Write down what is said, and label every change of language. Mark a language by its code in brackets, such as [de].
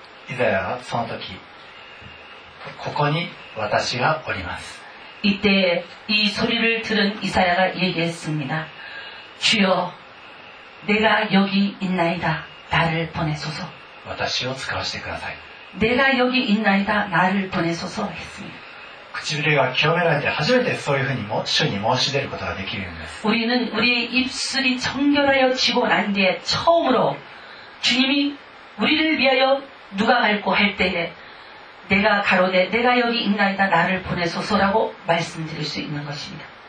[ja] 이사야가その時ここに私がおります。 [ko] 이때이소리를들은이사야가얘기했습니다주여내가여기있나이다나를보내소서 [ja] 私を使わせてください [ko] 내가여기있나이다나를보내소서했습니다 [ja] 唇が清められて初めてそういうふうに主に申し出ることができるんです。 [ko] 우리는우리의입술이청결하여지고난뒤에처음으로주님이우리를위하여누가갈고할때에내가가로대내가여기있나이다나를보내소서라고말씀드릴수있는것입니다